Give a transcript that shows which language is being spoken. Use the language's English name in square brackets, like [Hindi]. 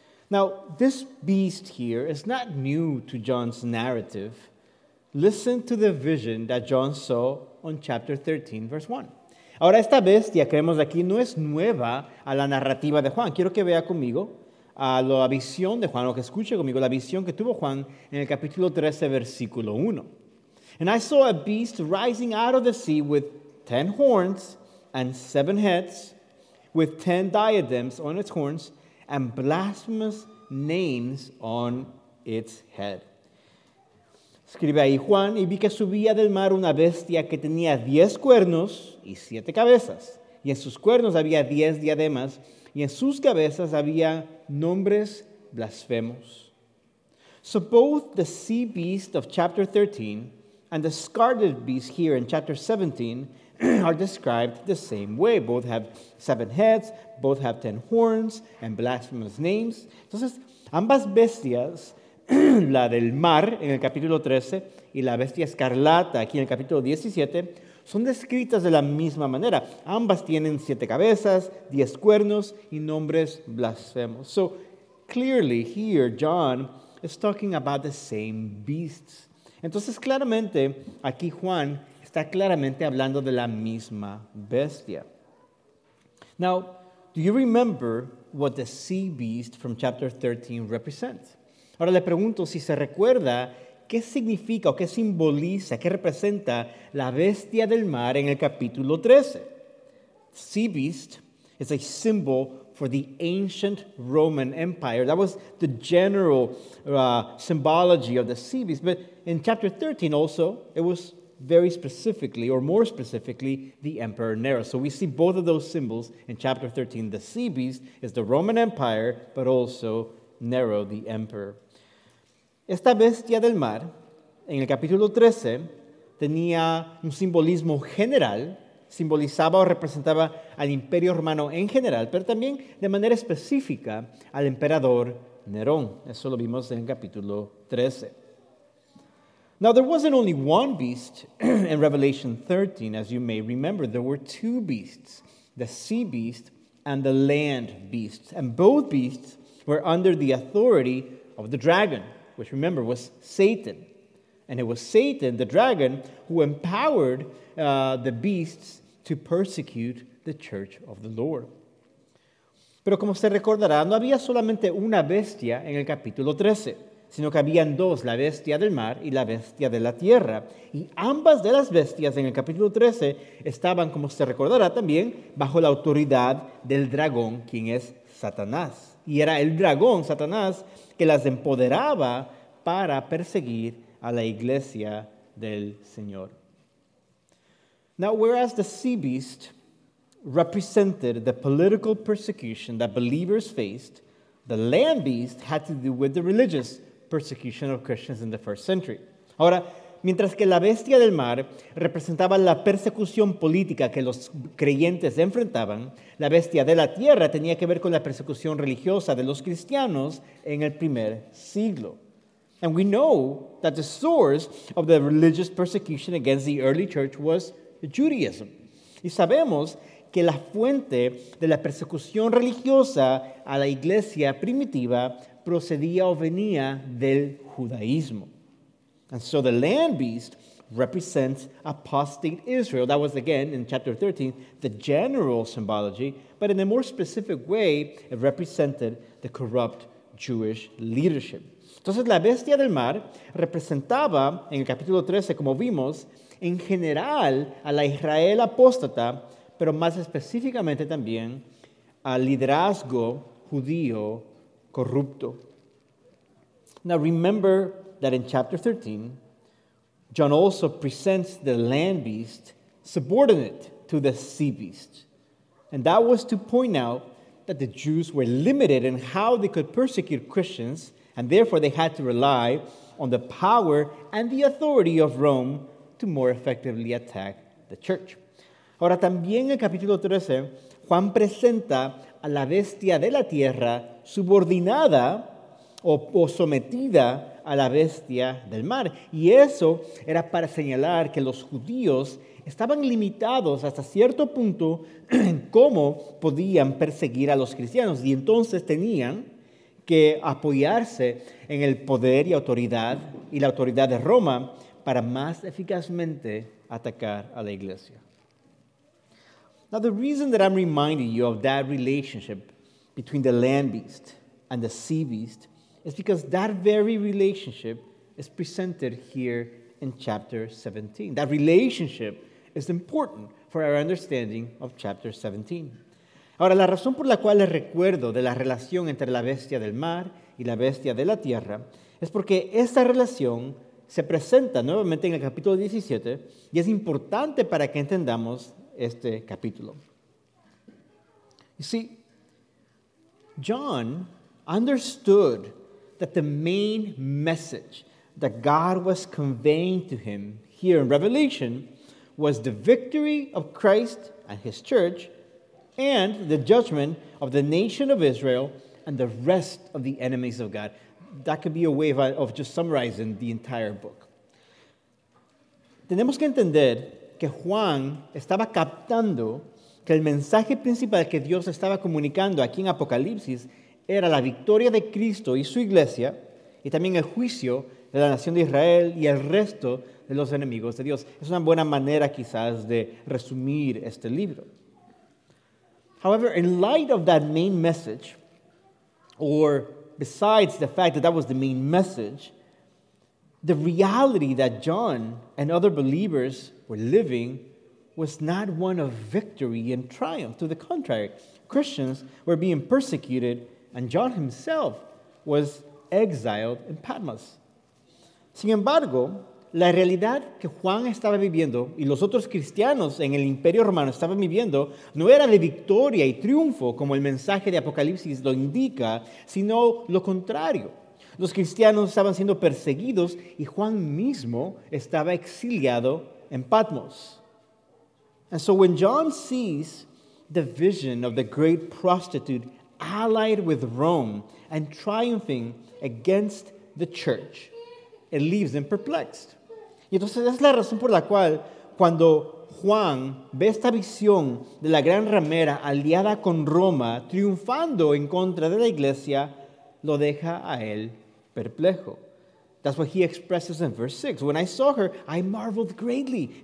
[English] Now, this beast here is not new to John's narrative. Listen to the vision that John saw on chapter 13, verse 1. [Spanish] Ahora, esta bestia que vemos aquí no es nueva a la narrativa de Juan. Quiero que vea conmigo a la visión de Juan, o que escuche conmigo la visión que tuvo Juan en el capítulo 13, versículo 1. [English] And I saw a beast rising out of the sea with 10 horns and 7 heads, with 10 diadems on its horns, and blasphemous names on its head. [Spanish] Escribe ahí Juan, y vi que subía del mar una bestia que tenía 10 cuernos y 7 cabezas. Y en sus cuernos había 10 diademas, y en sus cabezas había nombres blasfemos. [English] So both the sea beast of chapter 13 and the scarlet beast here in chapter 17 are described the same way. Both have 7 heads, both have 10 horns, and blasphemous names. [Spanish] Entonces, ambas bestias, la del mar en el capítulo 13 y la bestia escarlata aquí en el capítulo 17, son descritas de la misma manera. Ambas tienen 7 cabezas, 10 cuernos y nombres blasfemos. [English] So, clearly here, John is talking about the same beasts. [Spanish] Entonces, claramente, aquí Juan está claramente hablando de la misma bestia. [English] Now, do you remember what the sea beast from chapter 13 represents? [Spanish] Ahora le pregunto si se recuerda qué significa o qué simboliza, qué representa la bestia del mar en el capítulo 13. [English] Sea beast is a symbol for the ancient Roman Empire. That was the general symbology of the sea beast. But in chapter 13 also, it was very specifically, or more specifically, the Emperor Nero. So we see both of those symbols in chapter 13. The sea beast is the Roman Empire, but also Nero, the emperor. [Spanish] Esta bestia del mar, en el capítulo 13, tenía un simbolismo general, simbolizaba o representaba al Imperio Romano en general, pero también de manera específica al emperador Nerón. Eso lo vimos en el capítulo 13. [English] Now, there wasn't only one beast in Revelation 13, as you may remember. There were 2 beasts, the sea beast and the land beast. And both beasts were under the authority of the dragon, which, remember, was Satan. And it was Satan, the dragon, who empowered the beasts to persecute the church of the Lord. [Spanish] Pero como se recordará, no había solamente una bestia en el capítulo 13, sino que habían 2, la bestia del mar y la bestia de la tierra. Y ambas de las bestias en el capítulo 13 estaban, como se recordará también, bajo la autoridad del dragón, quien es Satanás. Y era el dragón, Satanás, que las empoderaba para perseguir a la iglesia del Señor. [English] Now, whereas the sea beast represented the political persecution that believers faced, the land beast had to do with the religious persecution of Christians in the first century. [Spanish] Ahora, mientras que la bestia del mar representaba la persecución política que los creyentes enfrentaban, la bestia de la tierra tenía que ver con la persecución religiosa de los cristianos en el primer siglo. [English] And we know that the source of the religious persecution against the early church was Judaism. [Spanish] Y sabemos que la fuente de la persecución religiosa a la iglesia primitiva procedía o venía del judaísmo. [English] And so the land beast represents apostate Israel. That was, again, in chapter 13, the general symbology. But in a more specific way, it represented the corrupt Jewish leadership. [Spanish] Entonces, la bestia del mar representaba, en el capítulo 13, como vimos, en general a la Israel apóstata, pero más específicamente también al liderazgo judío corrupto. [English] Now, remember that in chapter 13, John also presents the land beast subordinate to the sea beast. And that was to point out that the Jews were limited in how they could persecute Christians, and therefore they had to rely on the power and the authority of Rome to more effectively attack the church. [Spanish] Ahora también en capítulo 13, Juan presenta a la bestia de la tierra subordinada o sometida a la bestia del mar. Y eso era para señalar que los judíos estaban limitados hasta cierto punto en cómo podían perseguir a los cristianos. Y entonces tenían que apoyarse en el poder y autoridad y la autoridad de Roma para más eficazmente atacar a la iglesia. [English] Now, the reason that I'm reminding you of that relationship between the land beast and the sea beast, it's because that very relationship is presented here in chapter 17. That relationship is important for our understanding of chapter 17. [Spanish] Ahora, la razón por la cual les recuerdo de la relación entre la bestia del mar y la bestia de la tierra es porque esa relación se presenta nuevamente en el capítulo 17 y es importante para que entendamos este capítulo. [English] You see, John understood that the main message that God was conveying to him here in Revelation was the victory of Christ and his church and the judgment of the nation of Israel and the rest of the enemies of God. That could be a way of just summarizing the entire book. [Spanish] Tenemos que entender que Juan estaba captando que el mensaje principal que Dios estaba comunicando aquí en Apocalipsis era la victoria de Cristo y su iglesia y también el juicio de la nación de Israel y el resto de los enemigos de Dios. Es una buena manera quizás de resumir este libro. [English] However, in light of that main message, or besides the fact that that was the main message, the reality that John and other believers were living was not one of victory and triumph. To the contrary, Christians were being persecuted, and John himself was exiled in Patmos. [Spanish] Sin embargo, la realidad que Juan estaba viviendo y los otros cristianos en el Imperio Romano estaban viviendo no era de victoria y triunfo como el mensaje de Apocalipsis lo indica, sino lo contrario. Los cristianos estaban siendo perseguidos y Juan mismo estaba exiliado en Patmos. [English] And so when John sees the vision of the great prostitute allied with Rome and triumphing against the church, it leaves them perplexed. [Spanish] Y entonces es la razón por la cual cuando Juan ve esta visión de la gran ramera aliada con Roma triunfando en contra de la iglesia, lo deja a él perplejo. [English] That's what he expresses in verse 6. When I saw her, I marveled greatly.